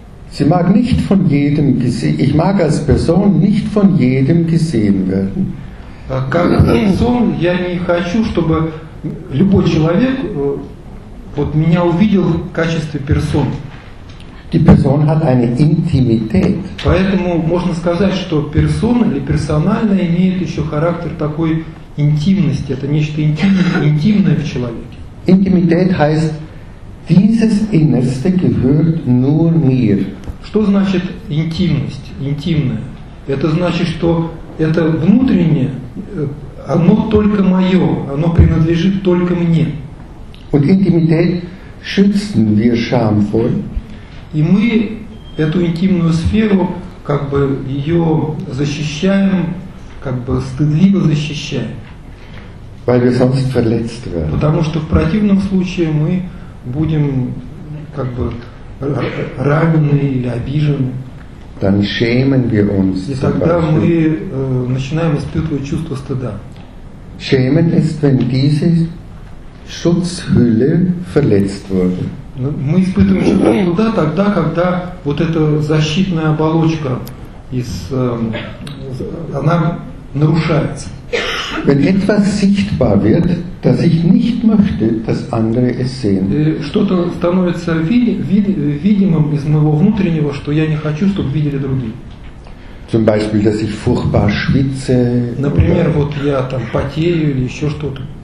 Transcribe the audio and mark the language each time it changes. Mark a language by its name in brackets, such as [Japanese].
[German] Sie mag nicht von jedem gesehen. Ich mag als Person nicht von jedem gesehen werden. [Russian] Как Person, я не хочу, чтобы любой человек вот меня увидел в качестве Person. [German] Die Person hat eine Intimität. [Russian] Поэтому можно сказать, что Persona или персональная имеет еще характер такой интимности. Это нечто интимное в человеке. [German] Intimität heißt, dieses Innerste gehört nur mir. [Russian] Что значит интимность, интимное? Это значит, что это внутреннее, оно только мое, оно принадлежит только мне. [German] Und Intimität schützen wir Scham vor. [Russian] И мы эту интимную сферу, как бы ее защищаем, как бы стыдливо защищаем. [German] Weil wir sonst verletzt werden. [Russian] Потому что в противном случае мы будем, как бы, ранены или обижены. [German] Dann schämen wir uns. [Russian] И тогда мы начинаем испытывать чувство стыда. [German] Schämen ist, wenn diese Schutzhülle verletzt wurde. [Russian] Мы испытываем чувство стыда тогда, когда вот эта защитная оболочка из она нарушается. [German] Wenn etwas sichtbar wird, das ich nicht möchte, dass andere es sehen. [Russian] Что-то становится видимым из моего внутреннего, что я не хочу, чтобы видели другие. [German] Zum Beispiel, dass ich furchtbar schwitze. [Russian] Например, вот я там потею или еще что-то.